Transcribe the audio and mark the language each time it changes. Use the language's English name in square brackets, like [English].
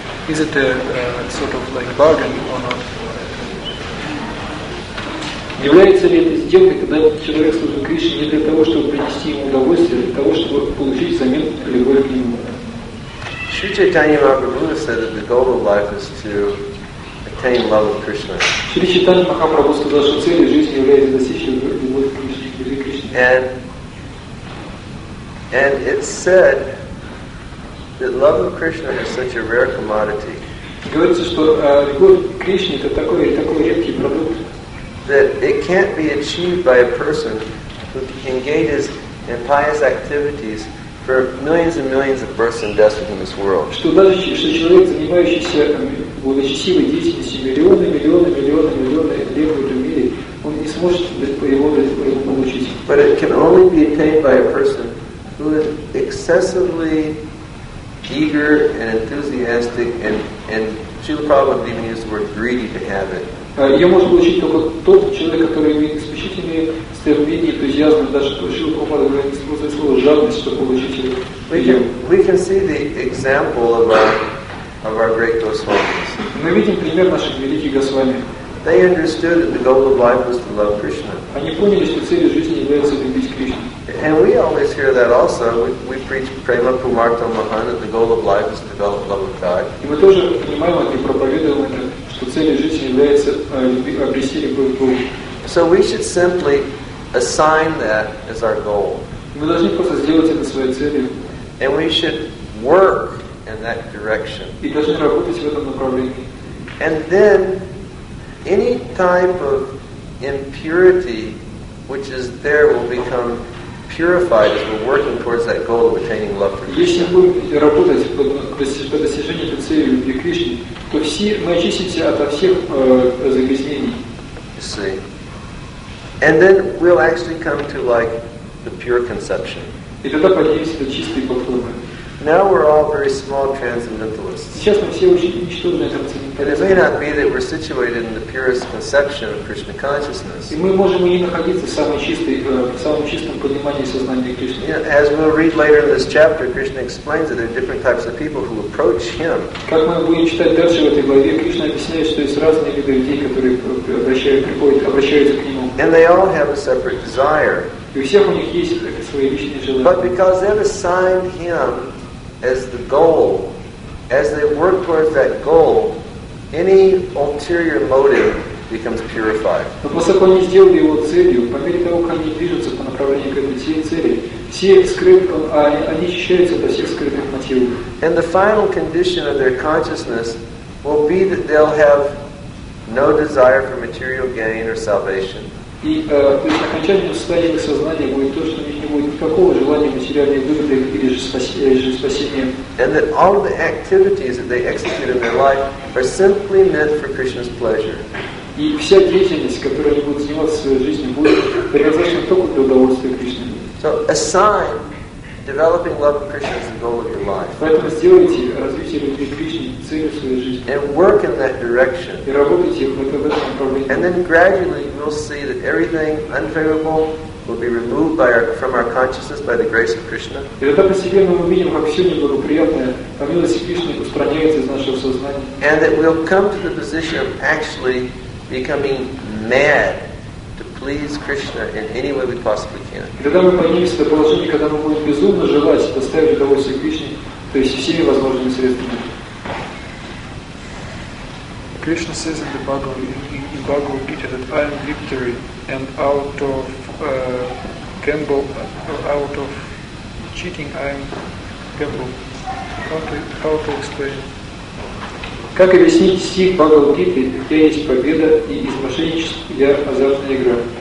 [English] Is it a sort of like bargain or not? [Russian] Является ли это сделкой, когда человек служит Кришне не для того, чтобы принести ему удовольствие, а для того, чтобы получить взамен любовь к нему? [English] Шри Чайтанья Махапрабху said that the goal of life is to attain love of Krishna. [Russian] Шри Чайтанья Махапрабху сказал, что целью жизни является достичь любовь к Кришне. [English] And it said that love of Krishna is such a rare commodity. [Russian] Говорится, что любовь к Кришне это такой редкий продукт. [English] That it can't be achieved by a person who engages in pious activities for millions and millions of births and deaths in this world. [Russian] Что даже что человек, занимающийся благочестивой деятельностью миллионы лет в мире, он не сможет его получить. [English] But it can only be attained by a person who is excessively eager and enthusiastic, and Srila Prabhupada even used the word greedy to have it. [Russian] Ее может получить только тот человек, который имеет исключительные стремления, энтузиазм, даже то, что Прабхупада говорит, используя слово жадность, чтобы получить ее. [English] We can see the example of our great Goswamis. [Russian] Мы видим пример наших великих Госвами. [English] They understood that the goal of life was to love Krishna. [Russian] Они поняли, что целью жизни является любить Кришну. [English] And we always hear that also. We preach prema pumarta mahana, the goal of life is to develop love of God. [Russian] И мы тоже понимаем и проповедуем это, что целью жизни является обрести любовь к Богу. [English] So we should simply assign that as our goal. [Russian] Мы должны просто сделать это своей целью. [English] And we should work in that direction. [Russian] И должны работать в этом направлении. [English] And then any type of impurity which is there will become purified as we're working towards that goal of attaining love for Krishna. [Russian] Если будем работать по достижению этой цели любви к Кришне, то все мы очистимся от всех загрязнений. [English] See. And then we'll actually come to like the pure conception. [Russian] И тогда поднимемся до чистой платформы. [English] Now we're all very small transcendentalists. [Russian] Сейчас мы все очень ничтожные трансценденталисты. [English] It may not be that we're situated in the purest conception of Krishna consciousness. [Russian] И мы можем не находиться в самом чистом понимании сознания Кришны. [English] Yeah, as we'll read later in this chapter, Krishna explains that there are different types of people who approach Him. [Russian] Как мы будем читать дальше в этой главе, Кришна объясняет, что есть разные виды людей, которые обращаются к Нему. [English] And they all have a separate desire. [Russian] И у всех у них есть свои личные желания. [English] But because they've assigned Him as the goal, as they work towards that goal, any ulterior motive becomes purified. [Russian] Но поскольку они сделали его целью, по мере того, как они движутся по направлению к этой цели, все скрытые, они очищаются от всех скрытых мотивов. [English] And the final condition of their consciousness will be that they'll have no desire for material gain or salvation. [Russian] И то есть окончательное состояние их сознания будет то, что никакого желания материальной выгоды или же спасения. [English] And that all of the activities that they execute in their life are simply meant for Krishna's pleasure. [Russian] И вся деятельность, которой они будут заниматься в своей жизни, будет предназначена только для удовольствия Кришны. [English] So assign developing love of Krishna as the goal of your life. [Russian] Поэтому сделайте развитие любви к Кришне целью своей жизни. [English] And work in that direction. [Russian] И работайте в этом направлении. [English] And then gradually we'll see that everything unfavorable will be removed by from our consciousness by the grace of Krishna. [Russian] И тогда постепенно мы увидим, как все неблагоприятное по милости Кришны устраняется из нашего сознания. [English] And that we'll come to the position of actually becoming mad to please Krishna in any way we possibly can. [Russian] И тогда мы поднимемся до положения, когда мы будем безумно желать доставить удовольствие Кришне то есть всеми возможными средствами. [English] Krishna says in the Bhagavad Gita that I am victory and out of gamble, out of cheating I am gamble. How to explain? [Russian] Как объяснить стих Бхагавад Гиты, где есть победа и из мошенничества я азартная игра?